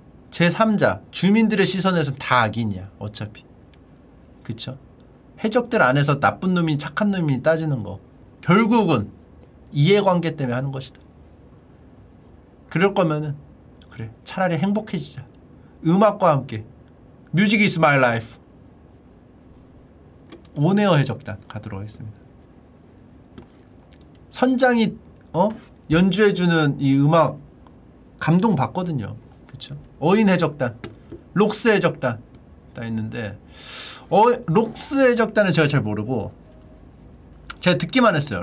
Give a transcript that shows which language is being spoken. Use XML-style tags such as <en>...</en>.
<ko>제3자, 주민들의 시선에서는 다 악인이야. 어차피. 그쵸? 해적들 안에서 나쁜 놈이 착한 놈이 따지는 거 결국은 이해관계 때문에 하는 것이다. 그럴 거면은 그래, 차라리 행복해지자. 음악과 함께</ko> <en>Music is my life.</en> <ko>온에어 해적단 가도록 하겠습니다. 선장이 연주해주는 이 음악 감동 받거든요. 그쵸? 어인 해적단, 록스 해적단 다 있는데 록스 해적단은 제가 잘 모르고 제가 듣기만 했어요.</ko>